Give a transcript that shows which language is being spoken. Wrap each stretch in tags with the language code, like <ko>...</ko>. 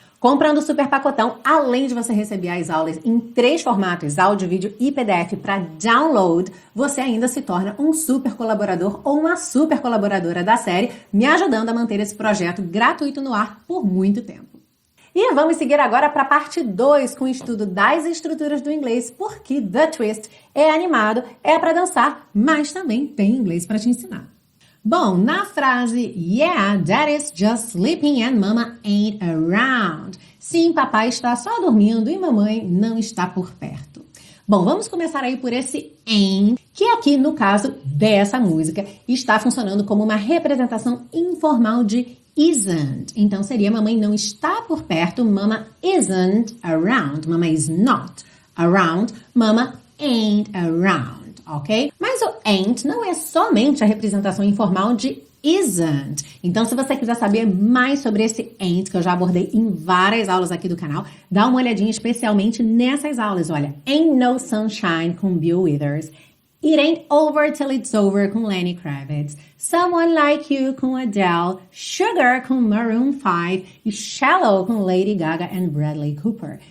<pt>Comprando o super pacotão, além de você receber as aulas em três formatos, áudio, vídeo e PDF para download, você ainda se torna um super colaborador ou uma super colaboradora da série, me ajudando a manter esse projeto gratuito no ar por muito tempo. E vamos seguir agora para a parte 2 com o estudo das estruturas do inglês, porque The Twist é animado, é para dançar, mas também tem inglês para te ensinar. Bom, na frase,</pt> <en>yeah, dad is just sleeping and mama ain't around.</en> <pt>Sim, papai está só dormindo e mamãe não está por perto. Bom, vamos começar aí por esse ain't, que aqui no caso dessa música está funcionando como uma representação informal de isn't. Então seria mamãe não está por perto,</pt> <en>mama isn't around. Mama is not around, mama ain't around. Ok?</en> <pt>Mas o ain't não é somente a representação informal de isn't. Então, se você quiser saber mais sobre esse ain't, que eu já abordei em várias aulas aqui do canal, dá uma olhadinha especialmente nessas aulas. Olha, ain't no sunshine com Bill Withers, it ain't over till it's over com Lenny Kravitz, someone like you com Adele, sugar com Maroon 5 e shallow com Lady Gaga and Bradley Cooper.</pt>